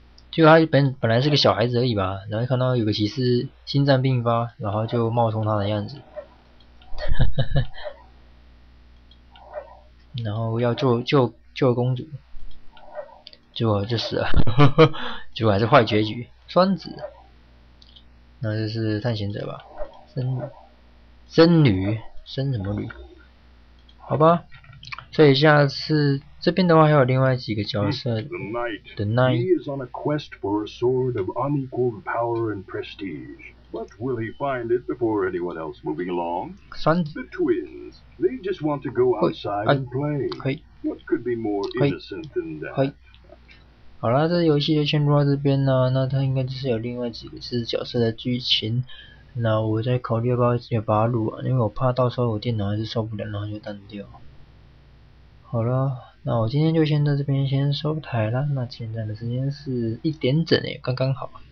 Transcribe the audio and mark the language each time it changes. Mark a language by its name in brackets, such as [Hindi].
[Chinese] 就他本来是个小孩子而已吧，然后看到有个骑士心脏病发，然后就冒充他的样子，然后要救公主，就死了，结果还是坏结局。双子，那就是探险者吧，僧侣，生什么旅？好吧，所以下次这边的话还有另外几个角色。 [English] The Knight. He is on a quest for a sword of unequaled power and prestige. But will he find it before anyone else moving along? The twins. They just want to go outside and play. What could be more innocent than that? [Chinese] 好啦，这个游戏就先录到这边啦，那它应该就是有另外几个是角色的剧情，那我再考虑要不要也把它录完，因为我怕到时候我电脑还是受不了，然后就断掉。好啦，那我今天就先在这边先收台啦，那现在的时间是一点整诶，刚刚好。